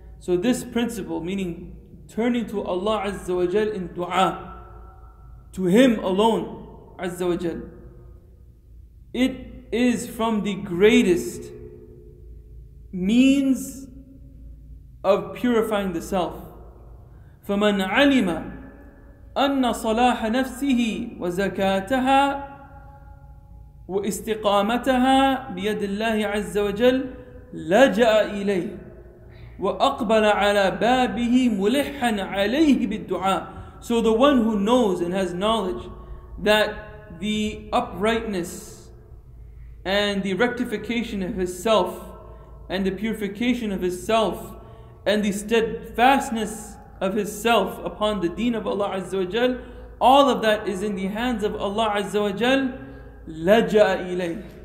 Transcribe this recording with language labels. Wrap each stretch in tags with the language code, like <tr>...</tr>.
<en>So this principle, meaning turning to Allah Azza wa Jal in dua, to Him alone, Azza wa Jal, it is from the greatest means of purifying the self.</en> <ar>فَمَنْ عَلِمَ أَنَّ صَلَاحَ نَفْسِهِ وَزَكَاتَهَا واستقامتها بيد الله عز وجل لجأ إليه وأقبل على بابه ملحا عليه بالدعاء.</ar> <en>So the one who knows and has knowledge that the uprightness and the rectification of his self and the purification of his self and the steadfastness of his self upon the deen of Allah</en> <ar>عز وجل,</ar> <en>all of that is in the hands of Allah عز وجل,</en> <ar>لَجَأَ إِلَيْهِ.</ar>